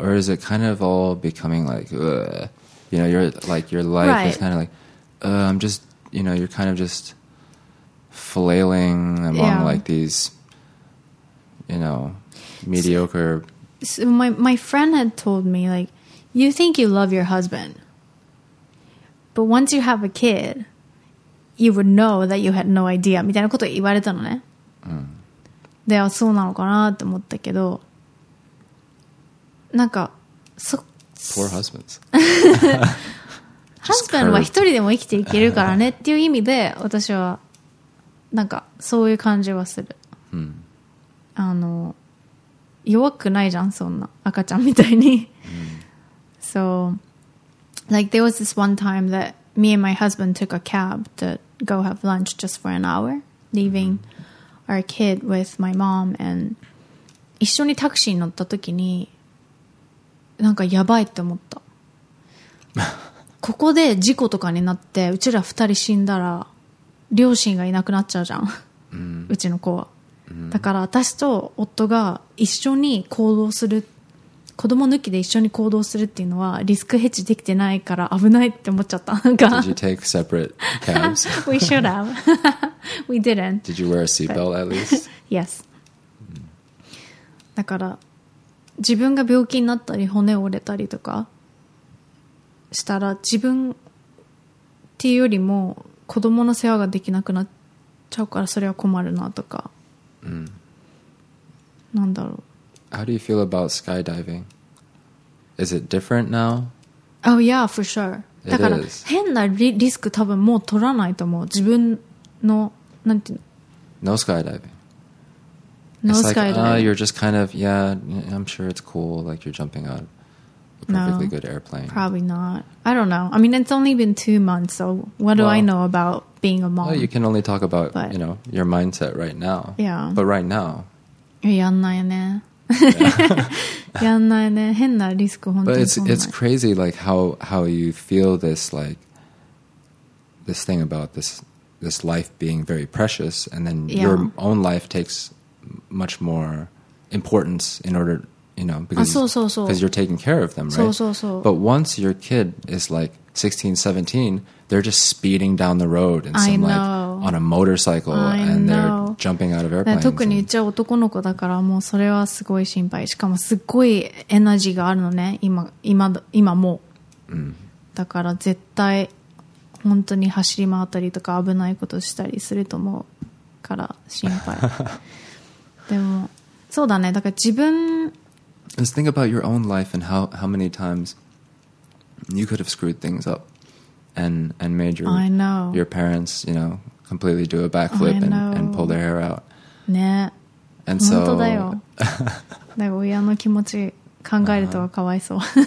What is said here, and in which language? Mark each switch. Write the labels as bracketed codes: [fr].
[en] Or is it kind of all becoming like, you know, you're like, your life is kind of like, I'm just, you know, you're kind of just flailing among like these, you know, mediocre. So my friend had told me, like, you think you love your husband, but once you have a kid, you would know that you had no idea. [ja] みたいなこと言われたのね。で、あ、そうなのかなって思ったけど、なんか、 [en] Poor husbands. [ja] ハスバンドは一人でも生きていけるからねっていう意味で、私は、なんか、そういう感じはする。あの、弱くないじゃん、そんな。赤ちゃんみたいに。 [en] So, like, there was this one time that me and my husband took a cab to go have lunch just for an hour, leaving our kid with my mom. [ja] And 一緒にタクシーに乗った時に、なんかやばいって思った。ここで事故とかになって、うちら二人死んだら、両親がいなくなっちゃうじゃん。うちの子は。だから私と夫が一緒に行動する、子供抜きで一緒に行動するっていうのはリスクヘッジできてないから危ないって思っちゃった。なんか。 [en] Did you take separate cabs? We should have. We didn't. Did you wear a seatbelt at least? Yes. [ja] だから、自分が病気になったり骨折れたりとかしたら、自分っていうよりも子供の世話ができなくなっちゃうから、それは困るなとか。なんだろう。 [en] How do you feel about skydiving? Is it different now? Oh yeah, for sure. It is. [ja] 変なリスク多分もう取らないと思う。自分のなんていうの。 [en] No skydiving. No skydiving. It's like, you're just kind of, yeah, I'm sure it's cool, like you're jumping out a perfectly good airplane. Probably not. I don't know. I mean, it's only been 2 months, so what do I know about being a mom? Well, you can only talk about, you know, your mindset right now. Yeah. But right now. [ja] やんないね。やんないね。変なリスク本当に。 [en] But it's crazy like how you feel this like this thing about this life being very precious, and then your own life takes much more importance in order, you know, because [ja] そうそうそう [en] you're taking care of them, right? [ja] そうそうそう [en] But once your kid is like 16, 17, they're just speeding down the road in some, like, on a motorcycle and they're jumping out of airplanes. [ja] 特にうちは男の子だからもうそれはすごい心配。しかもすっごいエナジーがあるのね、今も。だから絶対本当に走り回ったりとか危ないことしたりすると思うから心配。でもそうだね、だから自分 [en] Just think about your own life and how many times you could have screwed things up and made your parents, you know, completely do a backflip and pull their hair out. [ja] ね、 [en] and so, [ja] 本当だよ。だから親の気持ち考えるとかわいそう。